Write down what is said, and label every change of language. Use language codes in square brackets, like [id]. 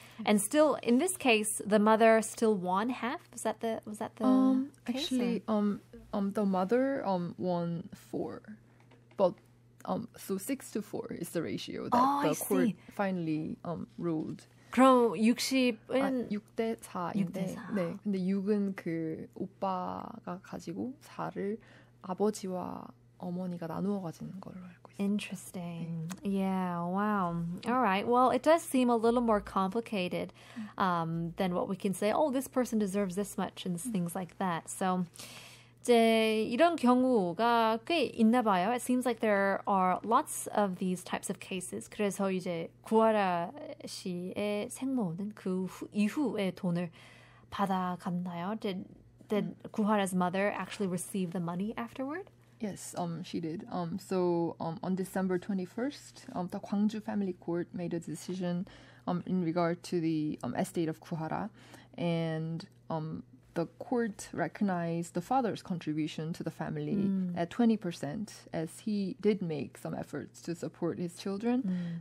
[en] And still, in this case, the mother still won half? Was that the case? Actually, the mother won 4. But, so 6-4 is the ratio that the court finally ruled. [ko] 그럼 60은? 6-4인데. 네, 근데 6은 그 오빠가 가지고 4를 아버지와 어머니가 나누어 가지는 걸로 알고 있어요. [en] Interesting. 네. Yeah, wow. All right. Well, it does seem a little more complicated than what we can say. Oh, this person deserves this much and things like that. [ko] So, 이제 이런 경우가 꽤 있나 봐요. [en] It seems like there are lots of these types of cases. [ko] 그래서 이제 구하라 씨의 생모는 그 이후에 돈을 받아갔나요? [en] Did Kuhara's mother actually receive the money afterward? Yes, she did. On December 21st, the Gwangju Family Court made a decision in regard to the estate of Kuhara, and the court recognized the father's contribution to the family at 20%, as he did make some efforts to support his children. Mm.